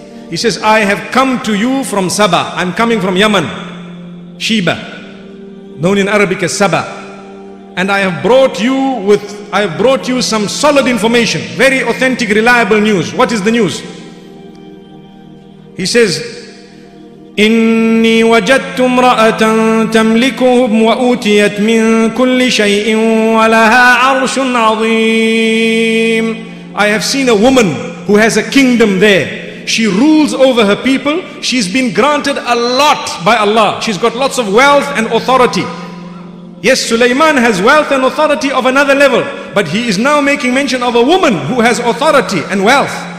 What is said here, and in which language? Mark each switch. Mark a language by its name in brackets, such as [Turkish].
[English] He says, I have come to you from Saba. I'm coming from Yemen, Sheba, known in Arabic as Saba. and I have brought you some solid information, very authentic, reliable news. What is the news? He says, [Arabic] إني وجدت امرأة تملكهم وأوتيت من كل شيء ولها عرش عظيم. [English] I have seen a woman who has a kingdom there. She rules over her people. She's been granted a lot by Allah. She's got lots of wealth and authority. Yes, Suleiman has wealth and authority of another level, but he is now making mention of a woman who has authority and wealth.